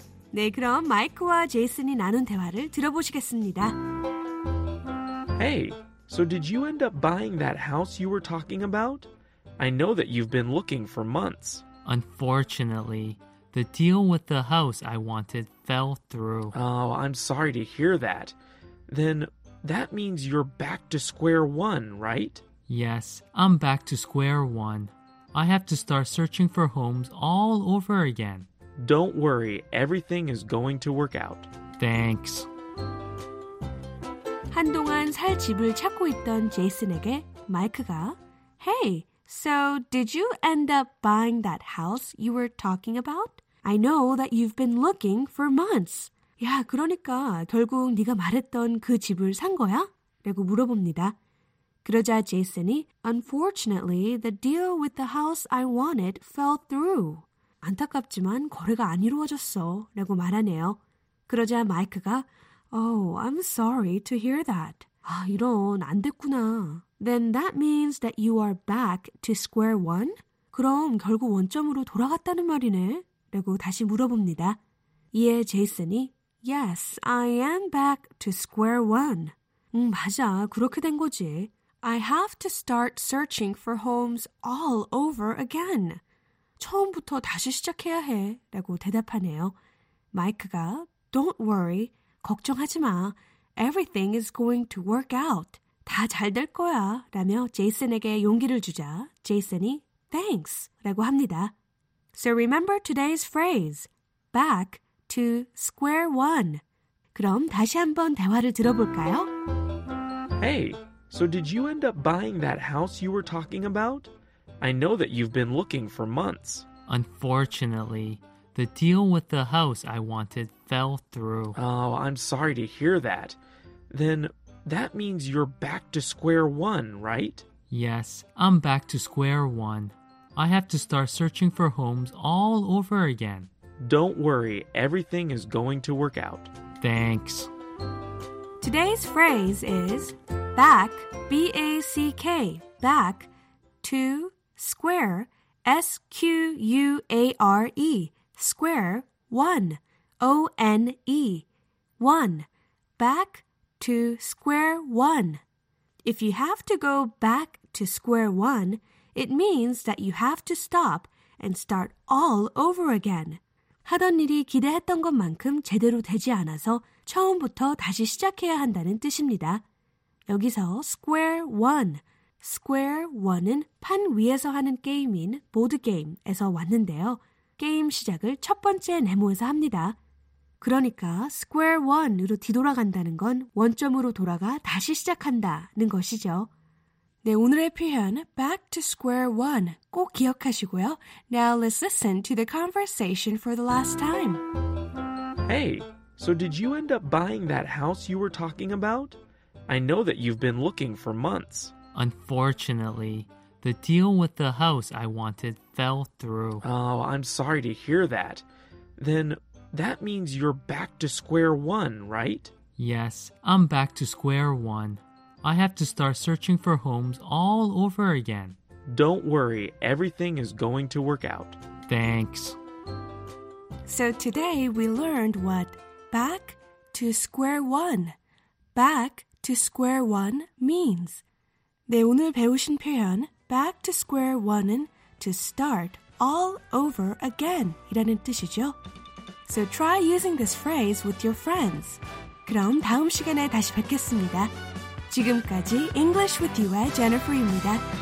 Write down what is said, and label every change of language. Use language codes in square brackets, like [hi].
[ko] 네, 그럼 마이크와 제이슨이 나눈 대화를 들어보시겠습니다. [en] Hey, so did you end up buying that house you were talking about? I know that you've been looking for months. Unfortunately, the deal with the house I wanted fell through. Oh, I'm sorry to hear that. Then that means you're back to square one, right? Yes, I'm back to square one. I have to start searching for homes all over again. Don't worry, everything is going to work out. Thanks. [ko] 한동안 살 집을 찾고 있던 제이슨에게 마이크가 [en] Hey, so did you end up buying that house you were talking about? I know that you've been looking for months. [ko] 야, 그러니까 결국 네가 말했던 그 집을 산 거야? 라고 물어봅니다. 그러자 제이슨이 [en] Unfortunately, the deal with the house I wanted fell through. [ko] 안타깝지만 거래가 안 이루어졌어 라고 말하네요. 그러자 마이크가 [en] Oh, I'm sorry to hear that. [ko] 아, 이런, 안 됐구나. [en] Then that means that you are back to square one? [ko] 그럼 결국 원점으로 돌아갔다는 말이네? 라고 다시 물어봅니다. 이에 제이슨이 [en] Yes, I am back to square one. [ko] 맞아, 그렇게 된 거지. [en] I have to start searching for homes all over again. [ko] 처음부터 다시 시작해야 해. 라고 대답하네요. 마이크가 [en] Don't worry. [ko] 걱정하지 마. [en] Everything is going to work out. [ko] 다 잘 될 거야. 라며 제이슨에게 용기를 주자 제이슨이 [en] Thanks. [ko] 라고 합니다. [en] So remember today's phrase. Back to square one. [ko] 그럼 다시 한번 대화를 들어볼까요? [en] Hey, so did you end up buying that house you were talking about? I know that you've been looking for months. Unfortunately, the deal with the house I wanted fell through. Oh, I'm sorry to hear that. Then that means you're back to square one, right? Yes, I'm back to square one. I have to start searching for homes all over again. Don't worry, everything is going to work out. Thanks. Today's phrase is back, B-A-C-K, back to square, S-Q-U-A-R-E, square, one, O-N-E, one, back to square one. If you have to go back to square one, it means that you have to stop and start all over again. [ko] 하던 일이 기대했던 것만큼 제대로 되지 않아서 처음부터 다시 시작해야 한다는 뜻입니다. 여기서 square one, square one은 판 위에서 하는 게임인 보드 게임에서 왔는데요. 게임 시작을 첫 번째 네모에서 합니다. 그러니까 square one으로 뒤돌아간다는 건 원점으로 돌아가 다시 시작한다는 것이죠. 네, 오늘의 표현 back to square one 꼭 기억하시고요. [en] Now let's listen to the conversation for the last time. Hey, so did you end up buying that house you were talking about? I know that you've been looking for months. Unfortunately, the deal with the house I wanted fell through. Oh, I'm sorry to hear that. Then that means you're back to square one, right? Yes, I'm back to square one. I have to start searching for homes all over again. Don't worry, everything is going to work out. Thanks. So today we learned what back to square one, back to square one means. [ko] 네, 오늘 배우신 표현 back to square one은 [en] to start all over again [ko] 이라는 뜻이죠. [en] So try using this phrase with your friends. [ko] 그럼 다음 시간에 다시 뵙겠습니다. 지금까지 English with You의 Jennifer입니다.